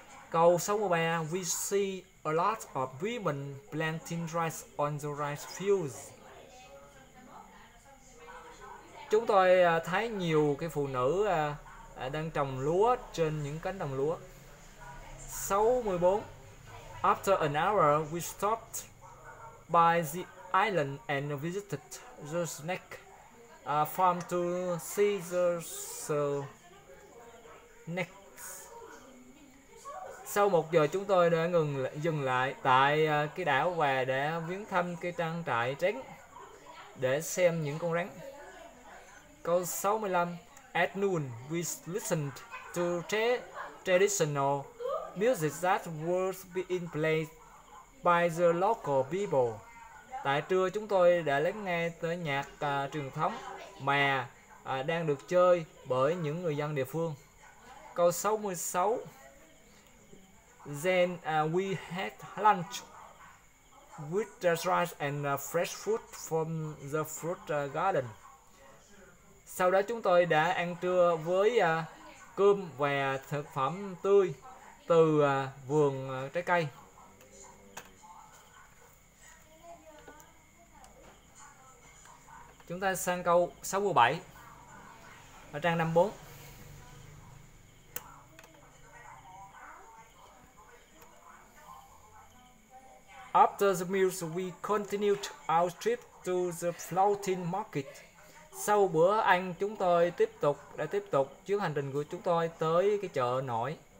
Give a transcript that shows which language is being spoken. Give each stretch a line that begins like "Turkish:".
English: Câu 63, we see a lot of women planting rice on the rice fields.
Vietnamese: Chúng tôi thấy nhiều cái phụ nữ đang trồng lúa trên những cánh đồng lúa. 64.
English: After an hour, we stopped by the island and visited the snake farm to see the snake.
Vietnamese: Sau 1 giờ chúng tôi đã dừng lại tại cái đảo và để viếng thăm cái trang trại trứng để xem những con rắn. Câu 65.
English: At noon, we listened to traditional music that was being played by the local people.
Vietnamese: Tại trưa chúng tôi đã lắng nghe tới nhạc truyền thống mà đang được chơi bởi những người dân địa phương. Câu 66.
English: Then we had lunch with the rice and fresh food from the fruit garden.
Vietnamese: Sau đó chúng tôi đã ăn trưa với cơm và thực phẩm tươi từ vườn trái cây. Chúng ta sang câu 67 ở trang 54.
English: After the meals, we continued our trip to the floating market.
Vietnamese: Sau bữa ăn, chúng tôi tiếp tục chuyến hành trình của chúng tôi tới cái chợ nổi.